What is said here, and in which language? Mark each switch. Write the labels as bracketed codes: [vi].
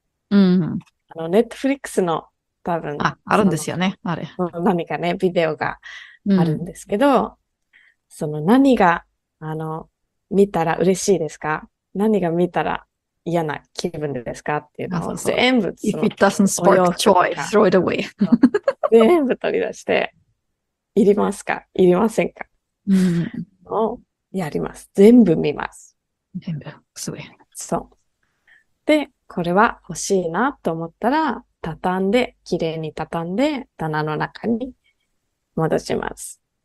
[ja] ネットフリックスの多分。あるんですよね、あれ。何かね、ビデオがあるんですけど、その何が、見たら嬉しいですか？何が見たら嫌な気分ですか？っていうのを全部、 [en] If it doesn't spark joy, throw it away. [ja] 全部取り出して、いりますか？いりませんか？をやります。全部見ます。全部、すごい。そう。で、これは欲しいなと思ったら、畳んで、きれいに畳んで、棚の中に戻します。